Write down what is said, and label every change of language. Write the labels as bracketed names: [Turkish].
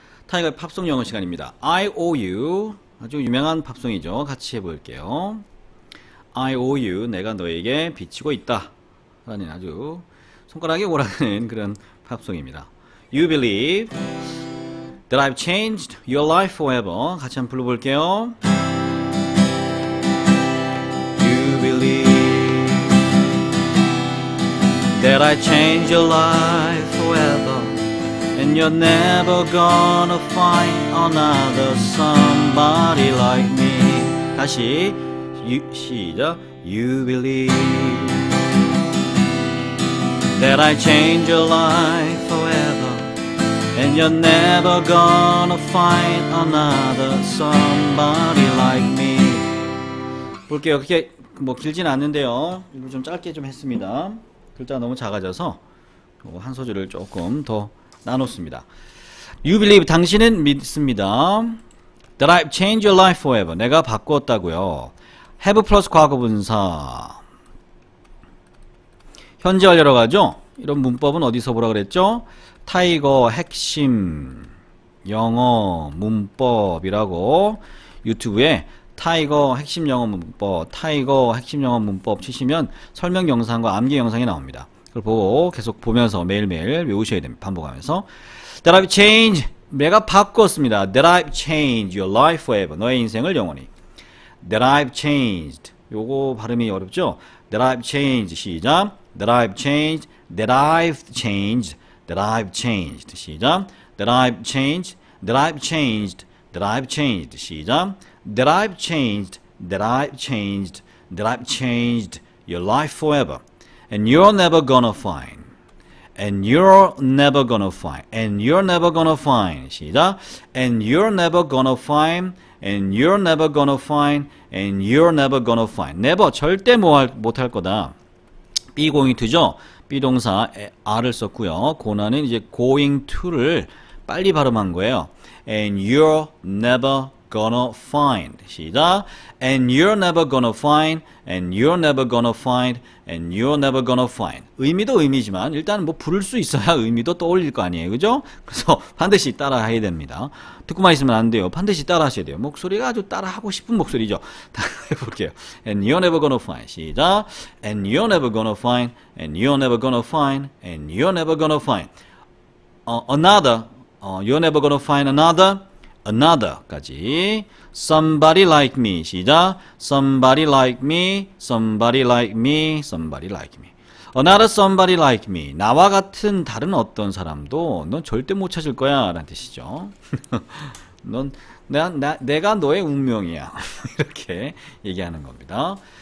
[Korean] 타이거의 팝송 영어 시간입니다. [English] I owe you. [Korean] 아주 유명한 팝송이죠. 같이 해볼게요. [English] I owe you. [Korean] 내가 너에게 빚지고 있다. 라는 아주 손가락이 오라는 그런 팝송입니다. [English] You believe that I've changed your life forever. [Korean] 같이 한번 불러볼게요. [English] You believe that I changed your life forever. And you're never gonna find another somebody like me. [Korean] 다시 시작. [English] You believe that I changed your life forever. And you're never gonna find another somebody like me. [Korean] 볼게요. 그렇게 뭐 길진 않는데요. 좀 짧게 좀 했습니다. 글자가 너무 작아져서 한 소절을 조금 더 나눴습니다. [English] You believe [Korean] 당신은 믿습니다. [English] That I've changed your life forever. [Korean] 내가 바꿨다고요. [English] Have plus 과거분사. [Korean] 현재 완료라고 하죠? 이런 문법은 어디서 보라 그랬죠? 타이거 핵심 영어 문법이라고 유튜브에 타이거 핵심 영어 문법, 타이거 핵심 영어 문법 치시면 설명 영상과 암기 영상이 나옵니다. 그걸 보고 계속 보면서 매일매일 외우셔야 됩니다. 반복하면서. [English] That I've changed. [Korean] 내가 바꿨습니다. [English] That I've changed your life forever. [Korean] 너의 인생을 영원히. [English] That I've changed. [Korean] 요거 발음이 어렵죠? [English] That I've changed. 시작. That I've changed. That I've changed. That I've changed. [Korean] 시작. [English] That I've changed. That I've changed. That I've changed. [Korean] 시작. [English] That I've changed. That I've changed. That I've changed your life forever. And you're never gonna find. And you're never gonna find. And you're never gonna find. [Korean] 시작. [English] And you're never gonna find. And you're never gonna find. And you're never gonna find. [Korean] Never 절대 못할 거다. [English] Be going to죠. [Korean] Be 동사 are를 썼고요. 고는 이제 going to를 빨리 발음한 거예요. [English] And you're never gonna find. [Korean] 시작. [English] And you're never gonna find. And you're never gonna find. And you're never gonna find. [Korean] 의미도 의미지만 일단 뭐 부를 수 있어야 의미도 떠올릴 거 아니에요, 그죠? 그래서 반드시 따라 해야 됩니다. 듣고만 있으면 안 돼요. 반드시 따라 하셔야 돼요. 목소리가 아주 따라 하고 싶은 목소리죠. 다 해볼게요. [English] And you're never gonna find. [Korean] 시작. [English] And you're never gonna find. And you're never gonna find. And you're never gonna find. Another. You're never gonna find another. Another까지. Somebody like me. [Korean] 시작. [English] Somebody like me. Somebody like me. Somebody like me. Another somebody like me. [Korean] 나와 같은 다른 어떤 사람도 넌 절대 못 찾을 거야. 라는 뜻이죠. 넌, 내가 너의 운명이야. 이렇게 얘기하는 겁니다.